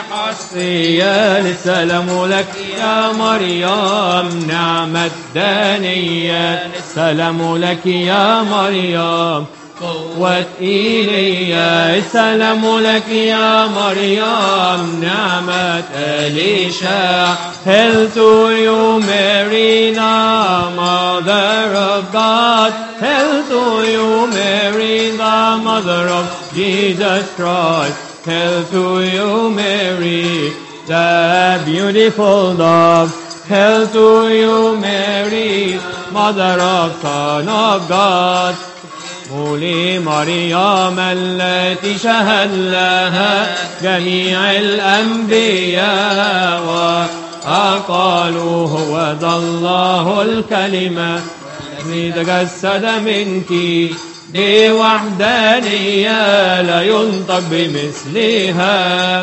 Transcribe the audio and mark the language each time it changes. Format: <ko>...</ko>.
<ar>السلام لك يا مريم نعمة دانية. السلام لك يا مريم قوة إيليا. السلام لك يا مريم نعمة إليشا.</ar> <en>Hail to you Mary, the Mother of God. Hail to you Mary, the Mother of Jesus Christ. Hail to you Mary, the beautiful dove. Hail to you Mary, Mother of Son of God. Holy Maryam,</en> <ar>التي شهد لها جميع الأنبياء وقالوا هو ذا الله الكلمة الذي تجسد منك بوحدانية لا ينطق بمثلها.</ar>